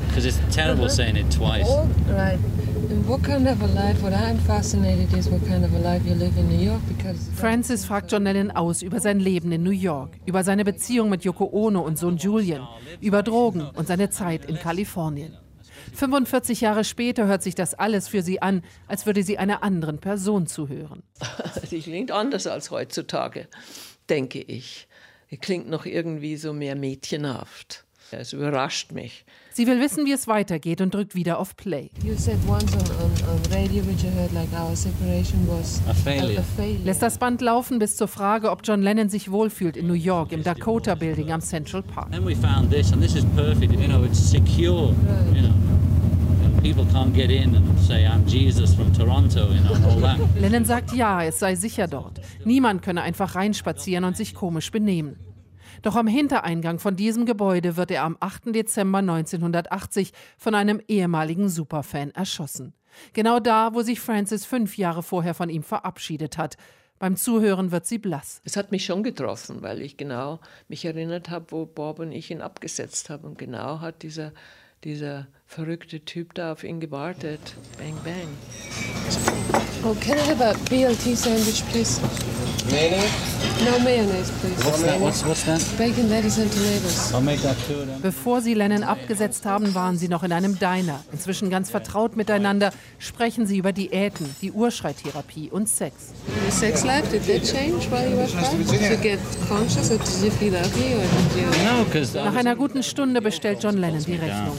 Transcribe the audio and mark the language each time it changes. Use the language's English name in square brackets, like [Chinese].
[English] Because it's terrible saying it twice. All right. And what kind of a life? What I'm fascinated is what kind of a life you live in New York. Because [German] Francis fragt John Lennon aus über sein Leben in New York, über seine Beziehung mit Yoko Ono und Sohn Julian, über Drogen und seine Zeit in Kalifornien. 45 Jahre später hört sich das alles für sie an, als würde sie einer anderen Person zuhören. Sie klingt anders als heutzutage, denke ich. Sie klingt noch irgendwie so mehr mädchenhaft. Es überrascht mich. Sie will wissen, wie es weitergeht und drückt wieder auf Play. [English] You said once on radio, which you heard, like our separation was a failure. [German] Lässt das Band laufen bis zur Frage, ob John Lennon sich wohlfühlt in New York im Dakota Building am Central Park. [English] Then we found this and this is perfect. You know, it's secure. Right. You know, people can't get in and say I'm Jesus from Toronto, you know, all that. [German] Lennon sagt ja, es sei sicher dort. Niemand könne einfach reinspazieren und sich komisch benehmen. Doch am Hintereingang von diesem Gebäude wird er am 8. Dezember 1980 von einem ehemaligen Superfan erschossen. Genau da, wo sich Francis 5 Jahre vorher von ihm verabschiedet hat. Beim Zuhören wird sie blass. Es hat mich schon getroffen, weil ich genau mich erinnert habe, wo Bob und ich ihn abgesetzt haben. Und genau hat dieser verrückte Typ da auf ihn gewartet. Bang, bang. [English] Oh, can I have a BLT sandwich, please? Mayonnaise? No mayonnaise, please. What's that? Bacon, lettuce and tomatoes. I'll make that two of them. [German] Bevor sie Lennon abgesetzt haben, waren sie noch in einem Diner. Inzwischen ganz vertraut miteinander sprechen sie über Diäten, die Urschreitherapie und Sex. [English] The sex life, did that change while you were fat? Did you get conscious or did you feel ugly or did you... No, because... [German] Nach einer guten Stunde bestellt John Lennon die Rechnung.